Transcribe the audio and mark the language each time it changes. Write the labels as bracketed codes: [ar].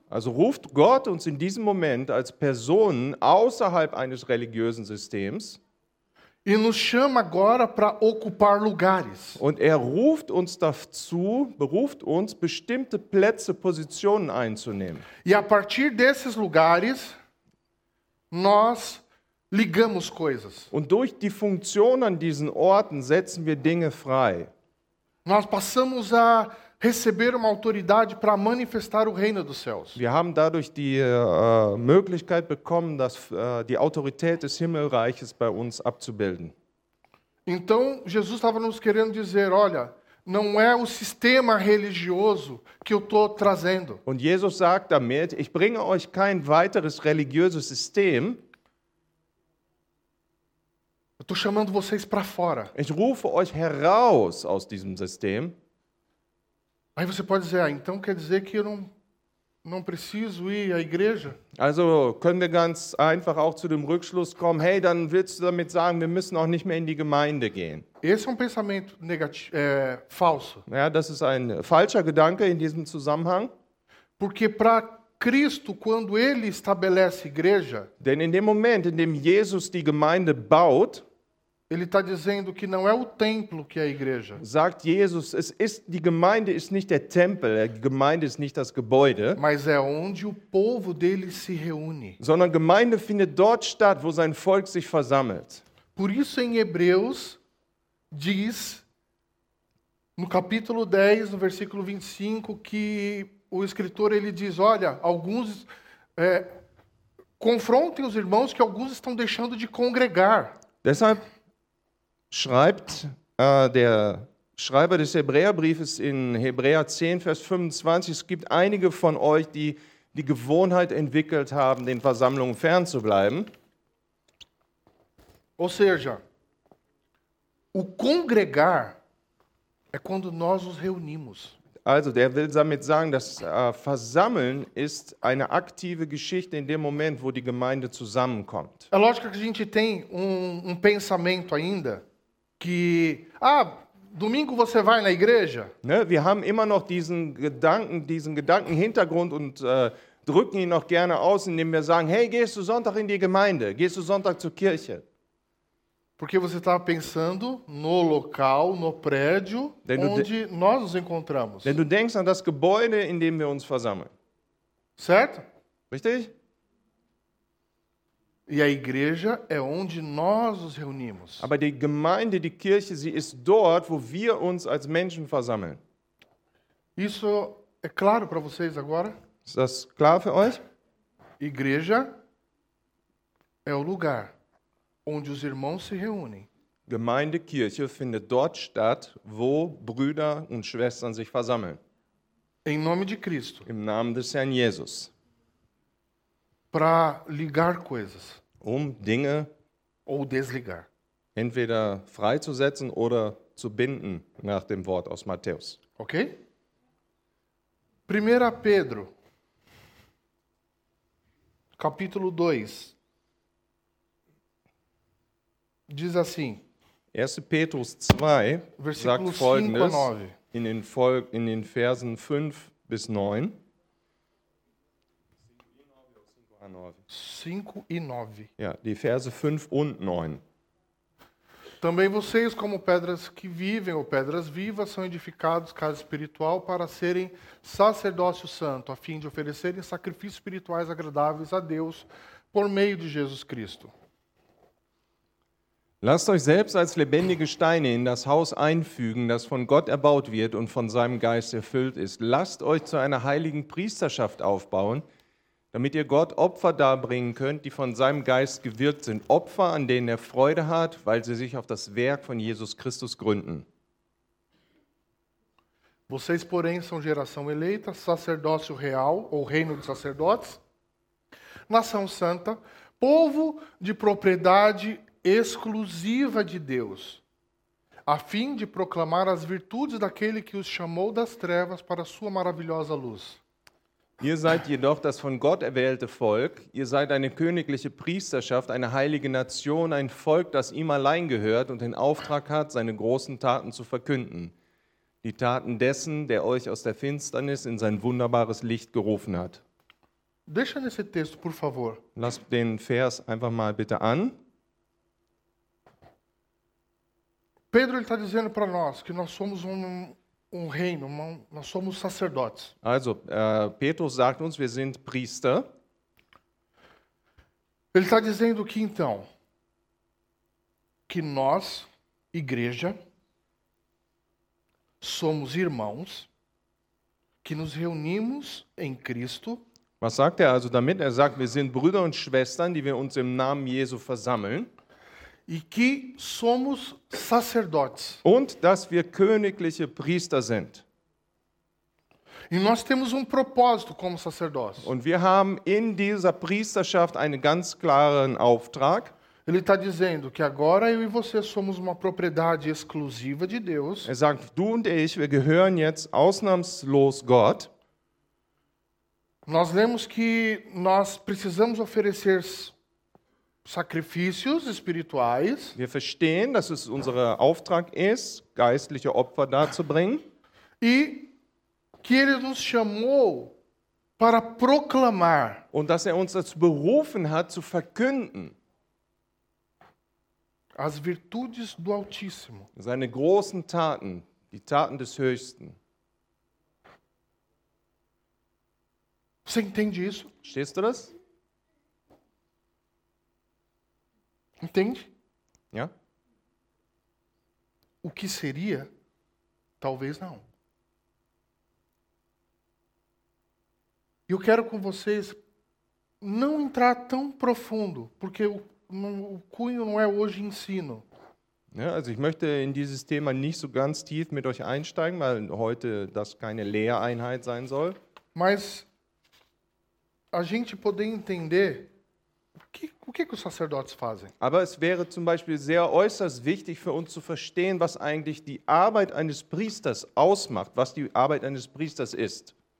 [de] Also ruft Gott uns in diesem Moment als Personen außerhalb eines religiösen Systems. [pt] E nos chama agora para ocupar lugares. [de] Und ruft uns dazu, beruft uns, bestimmte Plätze, Positionen einzunehmen. [pt] E a partir desses lugares, nós ligamos coisas. [de] Und durch die Funktion an diesen Orten setzen wir Dinge frei. [pt] Nós passamos a receber uma autoridade para manifestar o reino dos céus. [de] Wir haben dadurch die Möglichkeit bekommen, dass die Autorität des Himmelreiches bei uns abzubilden. [pt] Então Jesus estava nos querendo dizer, olha, não é o sistema religioso que eu tô trazendo. [de] Und Jesus sagt damit, ich bringe euch kein weiteres religiöses System. [pt] Estou chamando vocês para fora. [de] Ich rufe euch heraus aus diesem System. [pt] Aí você pode dizer, ah, então quer dizer que eu não preciso ir à igreja? [de] Also können wir ganz einfach auch zu dem Rückschluss kommen, hey, dann willst du damit sagen, wir müssen auch nicht mehr in die Gemeinde gehen. [pt] Esse é um pensamento negativo, falso. [de] Ja, das ist ein falscher Gedanke in diesem Zusammenhang. [pt] Porque para Cristo, quando ele estabelece igreja, [de] denn in dem Moment, in dem Jesus die Gemeinde baut, [pt] ele está dizendo que não é o templo que é a igreja. [de] Sagt Jesus, es ist die Gemeinde ist nicht der Tempel, die Gemeinde ist nicht das Gebäude. [pt] Mas é onde o povo dele se reúne. [de] Sondern Gemeinde findet dort statt, wo sein Volk sich versammelt. [pt] Por isso em Hebreus diz no capítulo 10, no versículo 25, que o escritor ele diz, olha, alguns confrontem os irmãos que alguns estão deixando de congregar. [de] Deshalb schreibt der Schreiber des Hebräerbriefes in Hebräer 10, Vers 25, es gibt einige von euch, die die Gewohnheit entwickelt haben, den Versammlungen fernzubleiben. [pt] Ou seja, o congregar é quando nós nos reunimos. [de] Also, der will damit sagen, dass Versammeln ist eine aktive Geschichte in dem Moment, wo die Gemeinde zusammenkommt. [pt] É lógico que a gente tem um pensamento ainda, que domingo você vai na igreja? [de] Ne, wir haben immer noch diesen Gedanken Hintergrund und drücken ihn noch gerne aus, indem wir sagen, hey, gehst du Sonntag in die Gemeinde? Gehst du Sonntag zur Kirche? [pt] Porque você estava pensando no local, no prédio onde nós nos encontramos. [de] Denn du denkst an das Gebäude, in dem wir uns versammeln. [pt] Certo? [de] Richtig? [pt] E a igreja é onde nós nos reunimos. [de] Aber die Gemeinde, die Kirche, sie ist dort, wo wir uns als Menschen versammeln. [pt] Isso é claro para vocês agora? [de] Ist das klar für euch? [pt] Igreja é o lugar onde os irmãos se reúnem. [de] Gemeinde, Kirche findet dort statt, wo Brüder und Schwestern sich versammeln. [pt] Em nome de Cristo. [de] Im Namen des Herrn Jesus. [pt] Para ligar coisas. [de] Dinge [pt] ou desligar. [de] Entweder freizusetzen oder zu binden, nach dem Wort aus Matthäus. [pt] Ok? 1 Pedro, capítulo 2, diz assim: 1 Petrus 2, versículo 5 a 9. [de] In den Versen 5 bis 9. [pt] 5 e 9. [de] Ja, die Verse 5 und 9. [pt] Também vocês, como pedras que vivem ou pedras vivas, são edificados casa espiritual para serem sacerdócio santo, a fim de oferecerem sacrifícios espirituais agradáveis a Deus por meio de Jesus Cristo. [de] Lasst euch selbst als lebendige Steine in das Haus einfügen, das von Gott erbaut wird und von seinem Geist erfüllt ist. Lasst euch zu einer heiligen Priesterschaft aufbauen, damit ihr Gott Opfer darbringen könnt, die von seinem Geist gewirkt sind. Opfer, an denen er Freude hat, weil sie sich auf das Werk von Jesus Christus gründen. [pt] Vocês, porém, são geração eleita, sacerdócio real, ou reino dos sacerdotes, nação santa, povo de propriedade exclusiva de Deus, a fim de proclamar as virtudes daquele que os chamou das trevas para a sua maravilhosa luz. [de] Ihr seid jedoch das von Gott erwählte Volk, ihr seid eine königliche Priesterschaft, eine heilige Nation, ein Volk, das ihm allein gehört und den Auftrag hat, seine großen Taten zu verkünden. Die Taten dessen, der euch aus der Finsternis in sein wunderbares Licht gerufen hat. [pt] Deixa nesse texto, por favor. [de] Lasst den Vers einfach mal bitte an. [pt] Pedro está dizendo para nós que nós somos um reino, nós somos sacerdotes. [de] Also, Petrus sagt uns, wir sind Priester. [pt] Ele está dizendo que então, que nós, igreja, somos irmãos, que nos reunimos em Cristo. [de] Was sagt er also damit? Er sagt, wir sind Brüder und Schwestern, die wir uns im Namen Jesu versammeln. [pt] E que somos sacerdotes. [de] Und dass wir königliche Priester sind. [pt] E nós temos propósito como sacerdotes. [de] Und wir haben in dieser Priesterschaft einen ganz klaren Auftrag. [pt] Ele está dizendo que agora eu e você somos propriedade exclusiva de Deus. [de] Er sagt, du und ich, wir gehören jetzt ausnahmslos Gott. [pt] Nós lemos que nós precisamos oferecer sacrifícios espirituais. [de] Wir verstehen, dass es unser Auftrag ist, geistliche Opfer darzubringen. [pt] E que ele nos chamou para proclamar. [de] Und dass er uns dazu berufen hat, zu verkünden. [pt] As virtudes do Altíssimo. [de] Seine großen Taten, die Taten des Höchsten. [pt] Você entende isso? [de] Verstehst du das? [pt] Entende? [en] Yeah. [pt] O que seria? Talvez não. Eu quero com vocês não entrar tão profundo, porque o cunho não é hoje ensino. [de] Ja, also ich möchte in dieses Thema nicht so ganz tief mit euch einsteigen, weil heute das keine Lehreinheit sein soll. [pt] Mas a gente poder entender o que os sacerdotes fazem. [de] Aber es wäre zum Beispiel sehr äußerst wichtig für uns zu verstehen, was eigentlich die Arbeit eines Priesters ausmacht, was die Arbeit eines Priesters ist.